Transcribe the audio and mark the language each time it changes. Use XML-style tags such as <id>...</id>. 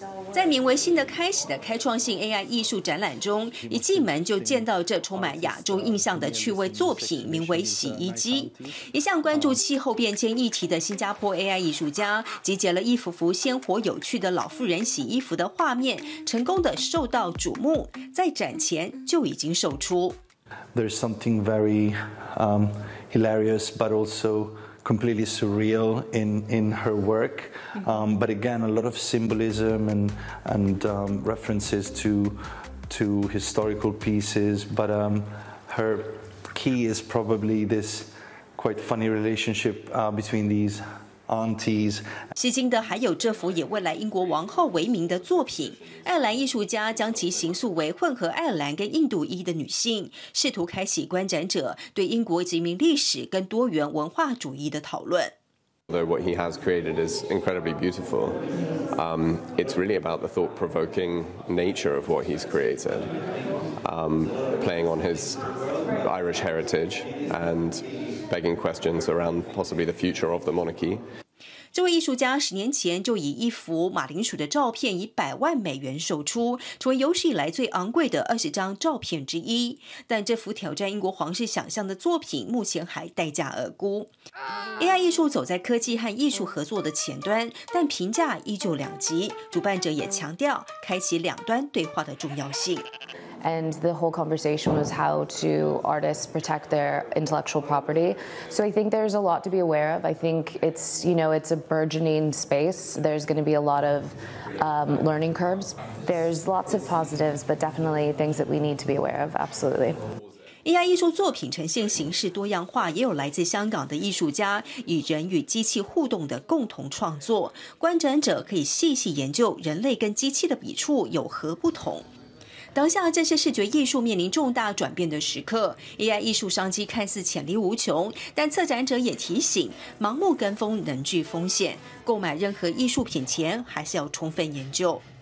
<zh>在名为新的开始的开创性 AI 艺术展览中，一进门就见到这充满亚洲印象的趣味作品，名为洗衣机。一向关注气候变迁议题的新加坡 AI 艺术家集结了一幅幅鲜活有趣的老妇人洗衣服的画面，成功的受到瞩目，在展前就已经售出。</zh> <en>There's something very hilarious but alsoCompletely surreal in her work, but again a lot of symbolism and references to historical pieces. But her key is probably this quite funny relationship between these aunties.</en> <zh>吸睛的还有这幅以未来英国王后为名的作品。爱尔兰艺术家将其形塑为混合爱尔兰跟印度裔的女性，试图开启观展者对英国殖民历史跟多元文化主义的讨论。</zh> <en>Although what he has created is incredibly beautiful, it's really about the thought-provoking nature of what he's created, playing on his Irish heritage and begging questions around possibly the future of the monarchy.</en> <zh>这位艺术家10年前就以一幅马铃薯的照片以$100,000售出，成为有史以来最昂贵的20张照片之一。但这幅挑战英国皇室想象的作品，目前还待价而沽。 AI 艺术走在科技和艺术合作的前端，但评价依旧两极。主办者也强调，开启两端对话的重要性。</zh> <en>And the whole conversation was how do artists protect their intellectual property. So I think there's a lot to be aware of. I think it's, you know, it's a burgeoning space. There's going to be a lot of learning curves. There's lots of positives, but definitely things that we need to be aware of, absolutely.</en> <zh>AI 艺术作品呈现形式多样化，也有来自香港的艺术家以人与机器互动的共同创作，观展者可以细细研究人类跟机器的笔触有何不同。当下这些视觉艺术面临重大转变的时刻， AI 艺术商机看似潜力无穷，但策展者也提醒，盲目跟风能具风险，购买任何艺术品前还是要充分研究。</zh>